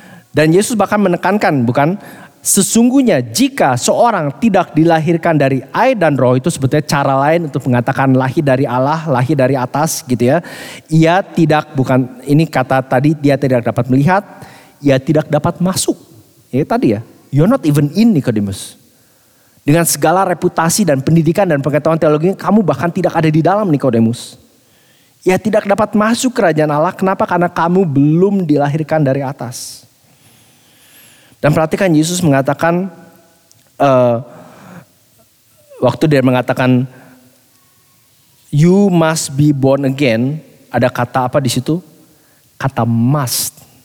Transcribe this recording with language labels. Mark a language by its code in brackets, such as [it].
[id] Dan Yesus bahkan menekankan, bukan, sesungguhnya jika seorang tidak dilahirkan dari air dan roh, itu sebetulnya cara lain untuk mengatakan lahir dari Allah, lahir dari atas gitu ya. Ia tidak, bukan, ini kata tadi, dia tidak dapat melihat, ia tidak dapat masuk. Ya tadi ya, [en] you're not even in Nicodemus. [id] Dengan segala reputasi dan pendidikan dan pengetahuan teologinya, kamu bahkan tidak ada di dalam Nicodemus. Ya tidak dapat masuk kerajaan Allah, kenapa? Karena kamu belum dilahirkan dari atas. Dan perhatikan Yesus mengatakan, waktu dia mengatakan, [en] you must be born again, [id] ada kata apa di situ? Kata must.